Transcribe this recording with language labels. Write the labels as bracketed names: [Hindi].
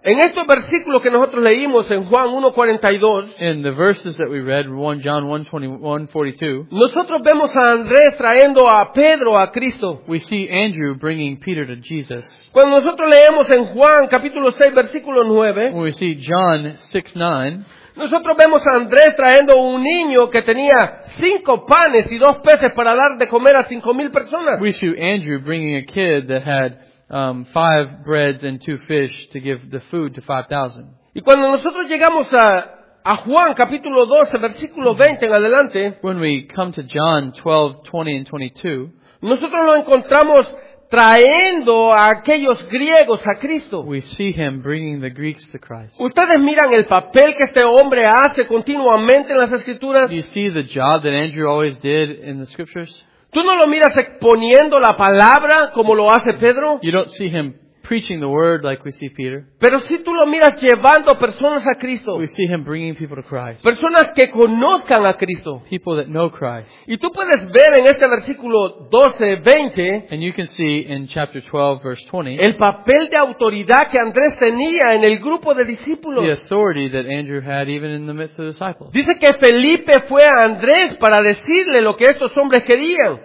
[Spanish] En estos versículos que nosotros leímos en Juan 1:42, [English] in the verses that we read, 1 John 1:42, [Spanish] nosotros vemos a Andrés trayendo a Pedro a Cristo. [English] We see Andrew bringing Peter to Jesus. [Spanish] Cuando nosotros leemos en Juan capítulo 6 versículo 9, [English] when we see John 6:9, [Spanish] nosotros vemos a Andrés trayendo un niño que tenía 5 panes y 2 peces para dar de comer a 5,000 personas. [English] We see Andrew bringing a kid that had 5 breads and 2 fish to give the food to 5,000. [Spanish] Y cuando nosotros llegamos a Juan capítulo 12 versículo 20 en adelante, [English] when we come to John 12:20-22, [Spanish] nosotros lo encontramos trayendo a aquellos griegos a Cristo. [English] We see him bringing the Greeks to Christ. [Spanish] Ustedes miran el papel que este hombre hace continuamente en las escrituras. [English] You see the job that Andrew always did in the scriptures. [Spanish] ¿Tú no lo miras exponiendo la palabra como lo hace Pedro? [English] You don't see him preaching the word like we see Peter. [Spanish] Pero si tú lo miras llevando personas a Cristo. [English] We see him bringing people to Christ. [Spanish] Personas que conozcan a Cristo. [English] People that know Christ. [Spanish] Y tú puedes ver en este versículo 12:20. [English] And you can see in chapter 12, verse 20. [Spanish] El papel de autoridad que Andrés tenía en el grupo de discípulos. [English] The authority that Andrew had even in the midst of the disciples. [Spanish] Dice que Felipe fue a Andrés para decirle lo que estos hombres querían.